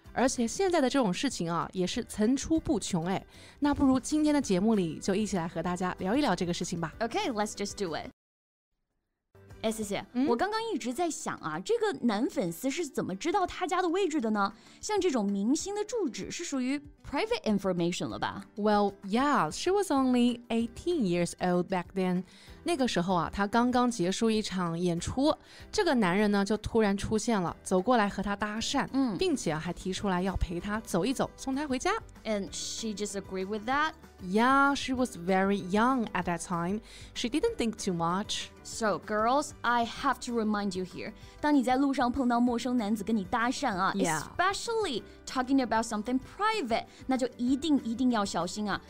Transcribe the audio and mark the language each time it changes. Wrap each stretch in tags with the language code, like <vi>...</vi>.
<zh>而且现在的这种事情啊，也是层出不穷哎。那不如今天的节目里就一起来和大家聊一聊这个事情吧。</zh> <en>Okay, let's just do it.</en> <zh>哎，谢谢。我刚刚一直在想啊，这个男粉丝是怎么知道他家的位置的呢？像这种明星的住址是属于</zh> <en>private information</en> <zh>了吧？</zh> <en>Well, yeah, she was only 18 years old back then.</en> <zh>那个时候啊，她刚刚结束一场演出，这个男人呢就突然出现了，走过来和她搭讪，并且、还提出来要陪她走一走，送她回家。</zh> <en>And she just agreed with that? Yeah, she was very young at that time. She didn't think too much. So, girls, I have to remind you here.</en> <zh>当你在路上碰到陌生男子跟你搭讪啊、</zh> <en>especially talking about something private,</en> <zh>那就一定一定要小心啊。</zh>